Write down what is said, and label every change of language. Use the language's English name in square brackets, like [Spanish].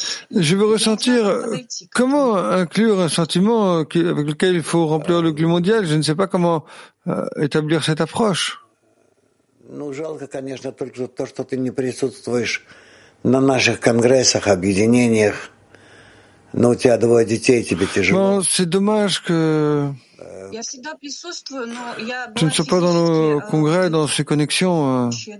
[French] Je veux ressentir comment inclure un sentiment avec lequel il faut remplir le glu mondial. Je ne sais pas comment établir cette approche. [Russian] Ну, жалко, конечно, только то, что ты не присутствуешь на наших конгрессах, объединениях. Но у тебя двое детей, тебе тяжело. [French] Ну, c'est dommage que... [Russian] Я всегда присутствую, но я была... [French] Tu ne sois pas dans nos congrès, dans ces connexions.